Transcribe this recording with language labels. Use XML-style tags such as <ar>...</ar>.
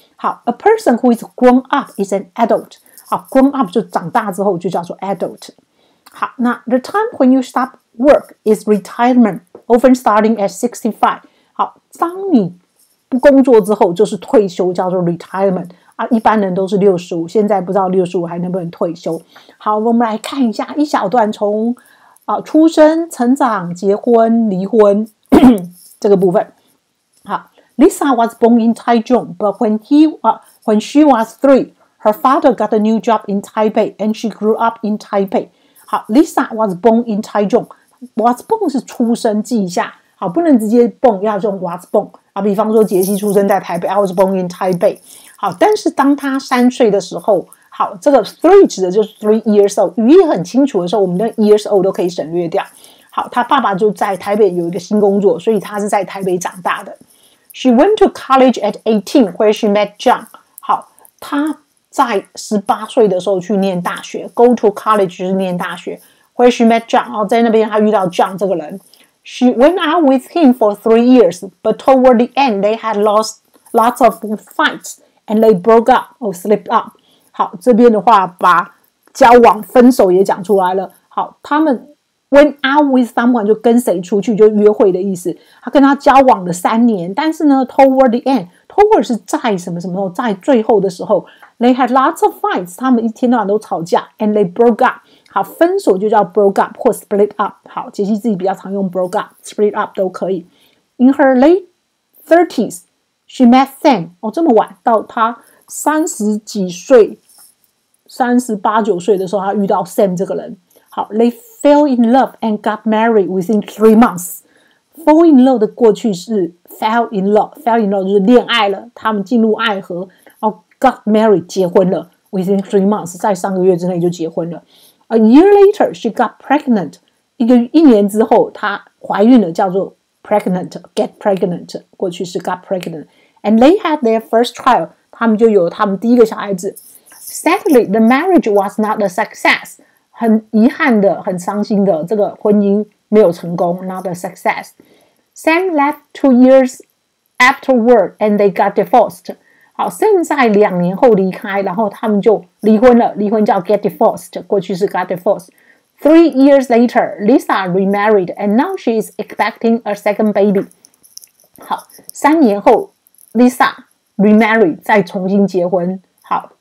<en>好， a person who is grown up is an adult。 好， grown up</en> <zh>就长大之后就叫做</zh> <en>adult。好，那 the time when you stop work is retirement, often starting at 65。</en> <zh>好，当你不工作之后就是退休，叫做 retirement。一般人都是65，现在不知道65还能不能退休。好，我们来看一下一小段，从出生、成长、结婚、离婚这个部分。</zh> <en>好， Lisa was born in Taichung, but when she was 3,Her father got a new job in Taipei, and she grew up in Taipei. 好， Lisa was born in Taichung. Was born</en> <zh>是出生，记一下。好，不能直接 born， 要用 was born。啊，比方说杰西出生在台北，</zh> <en>I was born in Taipei。</en> <zh>好，但是当他三岁的时候，好，这个 three 指的就是 3 years old， 语义很清楚的时候，我们的 years old 都可以省略掉。好，他爸爸就在台北有一个新工作，所以他是在台北长大的。</zh> <en>She went to college at 18, where she met John.</en> <zh>好，他在18岁的时候去念大学， go to college 就是念大学。</zh> <en>Where she met</en> <zh>John， 在那边她遇到 John 这个人。</zh> <en>She went out with him for 3 years, but toward the end they had lots of fights and they broke up or slipped up。</en> <zh>好，这边的话把交往分手也讲出来了。好，他们 went out with someone 就跟谁出去，就约会的意思。他跟他交往了3年，但是呢 toward the end， toward 是在什么什么时候，在最后的时候。</zh> <en>They had lots of fights，</en> <zh>他们一天到晚都吵架。</zh> <en>And they broke up，</en> <zh>好，分手就叫 broke up 或 split up。好，杰西自己比较常用 broke up， split up 都可以。</zh> <en>In her late 30s she met Sam。</en> <zh>这么晚到她三十几岁，三十八九岁的时候，他遇到 Sam 这个人。</zh> <en>好 ，They fell in love and got married within 3 months.</en> <zh>Fall in love 的过去是 fell in love， fell in love 就是恋爱了，他们进入爱河，然后 got married 结婚了</zh> <en>within 3 months，</en> <zh>在三个月之内就结婚了。</zh> <en>A year later, she got pregnant.</en> <zh>一年之后，她怀孕了，叫做 pregnant， get pregnant， 过去是 got pregnant。</zh> <en>And they had their first child，</en> <zh>他们就有他们第一个小孩子。</zh> <en>Sadly, the marriage was not a success.</en> <zh>很遗憾的，很伤心的，这个婚姻没有成功 ，not a success.</zh> <en>Sam left 2 years afterward, and they got divorced.</en> <zh>好 ，Sam 在两年后离开，然后他们就离婚了。离婚叫</zh> <en>get divorced，</en> <zh>过去是</zh> <en>got divorced。3 years later, Lisa remarried, and now she is expecting a second baby.</en> <zh>好，三年后 ，Lisa remarried， 再重新结婚。好。</zh>